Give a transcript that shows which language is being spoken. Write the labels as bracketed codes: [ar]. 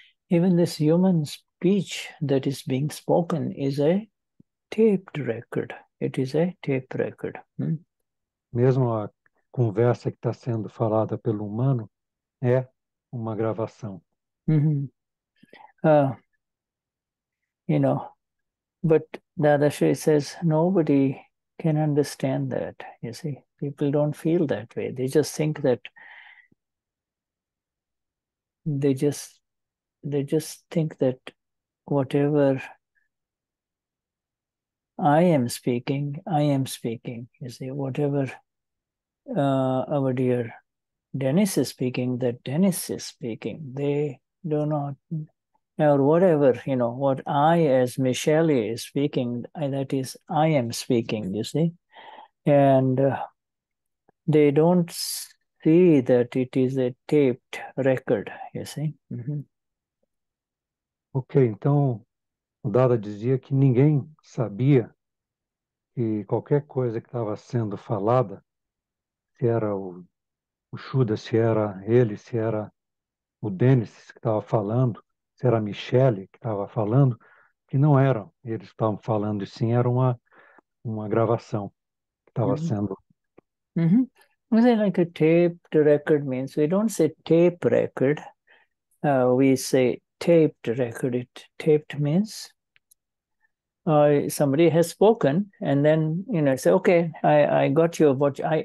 [en] Even this human speech that is being spoken is a taped record. It is a tape record. [pt] Mesmo a conversa que está sendo falada pelo humano é uma gravação. [en] You know, but Dadashri says nobody can understand that, you see. People don't feel that way. They just think that they just think that whatever I am speaking, you see, whatever our dear Dennis is speaking, that Dennis is speaking. They do not, or whatever, you know, what I as Michelle is speaking, that is, I am speaking, you see. And they don't see that it is a taped record, you see. [pt] Ok, então o Dada dizia que ninguém sabia que qualquer coisa que estava sendo falada, se era o Shuddha, se era ele, se era o Dennis que estava falando, se era a Michelle que estava falando, que não eram eles que estavam falando, e sim era uma gravação que estava sendo. [en] Is it like a taped record means? We don't say tape record, we say taped record. It taped means somebody has spoken, and then you know, say, okay, I got your watch.